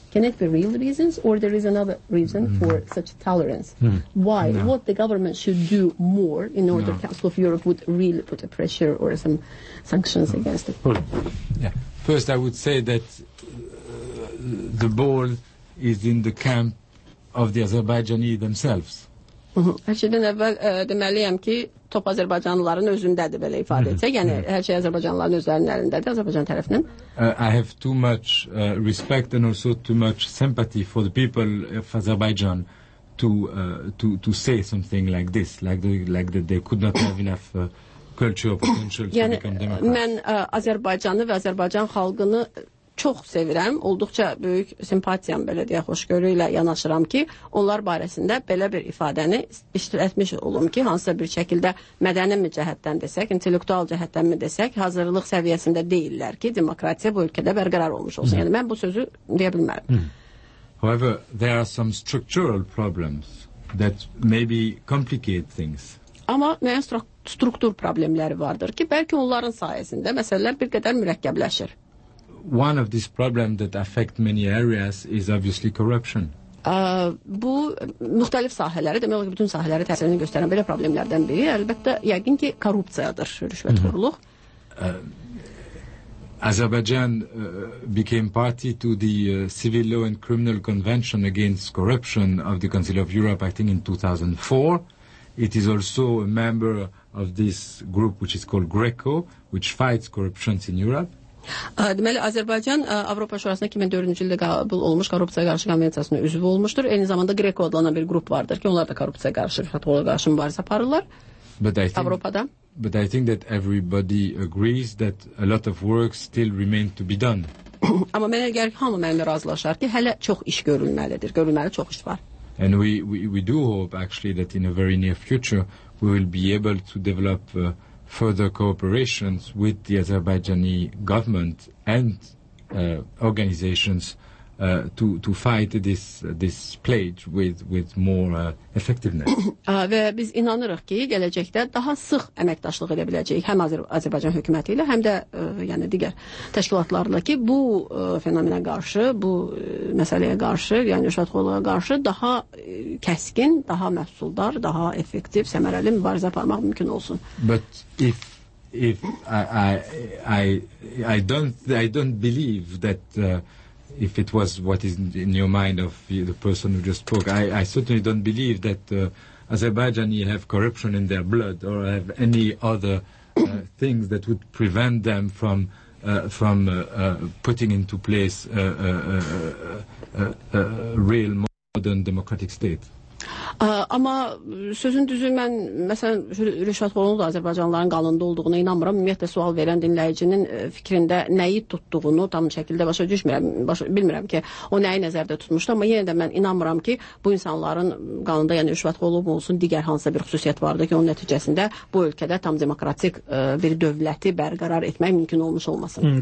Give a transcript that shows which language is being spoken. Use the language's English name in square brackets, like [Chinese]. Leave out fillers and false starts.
[English] Can it be real reasons or there is another reason for such tolerance? Why? No. What the government should do more in order Council of Europe would really put a pressure or some sanctions against it? Yeah. First, I would say that the ball is in the camp of the Azerbaijani themselves. [Azerbaijani] Hər şeydən əvvəl deməliyəm ki, top Azərbaycanlıların özündədir, belə ifadə etsək. Yəni, hər şey Azərbaycanlıların özlərindədir, Azərbaycan tərəfindən. [English] I have too much respect and also too much sympathy for the people of Azerbaijan to say something like this, like that they could not have enough culture potential to [Azerbaijani] yəni, [English] become democrats. [Azerbaijani] Yəni, mən Azərbaycanı və Azərbaycan xalqını çox sevirəm, olduqca böyük simpatiyam, belə deyək, xoşgörü ilə yanaşıram ki, onlar barəsində belə bir ifadəni işlətmiş olum ki, hansısa bir şəkildə mədəni mi cəhətdən desək, intellektual cəhətdən mi desək, hazırlıq səviyyəsində deyirlər ki, demokratiya bu ölkədə bərqərar olmuş olsun. Yəni, mən bu sözü deyə bilmərəm. [English] However, there are some structural problems that maybe complicate things. [Azerbaijani] Amma müəyyən struktur problemləri vardır ki, bəlkə onların sayəsində məsələlər bir qədər mürəkkəbləşir. [English] One of these problems that affect many areas is obviously corruption. [Azerbaijani] Bu müxtəlif sahələri, demək olar ki, bütün sahələri təsirini göstərən belə problemlərdən biri, əlbəttə, yəqin ki, korrupsiyadır, rüşvətxorluq. [English] Azerbaijan became party to the Civil Law and Criminal Convention against Corruption of the Council of Europe, I think, in 2004. It is also a member of this group, which is called GRECO, which fights corruption in Europe. [Azerbaijani] Deməli, Azərbaycan Avropa Şurasına 2004-cü ildə qəbul olmuş korrupsiyaya qarşı konvensiyasına üzv olmuşdur. Eyni zamanda GRECO adlanan bir qrup vardır ki, onlar da korrupsiyaya qarşı, rüşvətxorluğa qarşı mübarizə aparırlar Avropada. [English] But I think that everybody agrees that a lot of work still remains to be done. [Azerbaijani] Amma mənə gəlir ki, hamı mənimlə razılaşar ki, hələ çox iş görülməlidir, görülməli çox iş var. [English] And we do hope, actually, that in a very near future, we will be able to develop further cooperations with the Azerbaijani government and organizations to fight this plague with more effectiveness. [Azerbaijani] Və biz inanırıq ki, gələcəkdə daha sıx əməkdaşlıq edə biləcəyik həm Azərbaycan hökuməti ilə, həm də yəni digər təşkilatlarla ki, bu fenomenə qarşı, bu məsələyə qarşı, yəni rüşvətxorluğa qarşı daha kəskin, daha məhsuldar, daha effektiv, səmərəli mübarizə aparmaq mümkün olsun. [English] But if I don't believe that if it was what is in your mind of the person who just spoke, I certainly don't believe that Azerbaijani have corruption in their blood or have any other things that would prevent them from putting into place a real modern democratic state. [Azerbaijani] Amma sözün düzü, mən məsələn Rüşad Xoronu da Azərbaycanlıların qanında olduğuna inanmıram. Ümumiyyətlə sual verən dinləyicinin fikrində nəyi tutduğunu tam şəkildə başa düşmürəm. Bilmirəm ki, o nəyi nəzərdə tutmuşdu, amma yenə də mən inanmıram ki, bu insanların qanında, yəni Rüşad Xoronu olsun, digər hansısa bir xüsusiyyət vardır ki, onun nəticəsində bu ölkədə tam demokratik bir dövləti bərqərar etmək mümkün olmuş olmasın.